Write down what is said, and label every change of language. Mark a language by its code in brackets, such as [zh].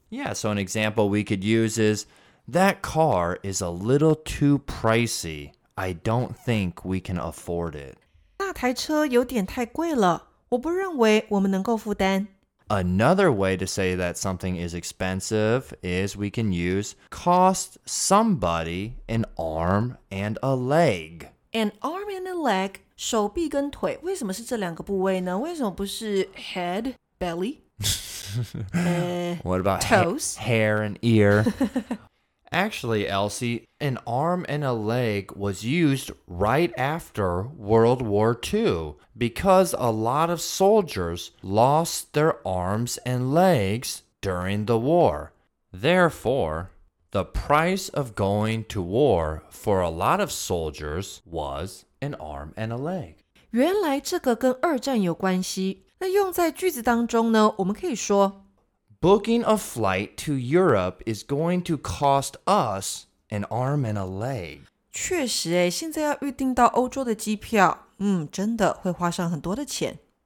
[en] Yeah, so an example we could use is, that car is a little too pricey. I don't think we can afford it. [zh] 那台车有点太贵了，我不认为我们能够负担。 [en] Another way to say that something is expensive is we can use cost somebody an arm and a leg. An arm and a leg, [zh] 手臂跟腿，为什么是这两个部位呢？为什么不是 [en] head, belly? What about toes? Hair and ear? Actually, Elsie, an arm and a leg was used right after World War II because a lot of soldiers lost their arms and legs during the war. Therefore, the price of going to war for a lot of soldiers was an arm and a leg. [zh] 原来这个跟二战有关系。那用在句子当中呢，我们可以说 [en] Booking a flight to Europe is going to cost us an arm and a leg. [zh] 确实诶，现在要预订到欧洲的机票，真的会花上很多的钱。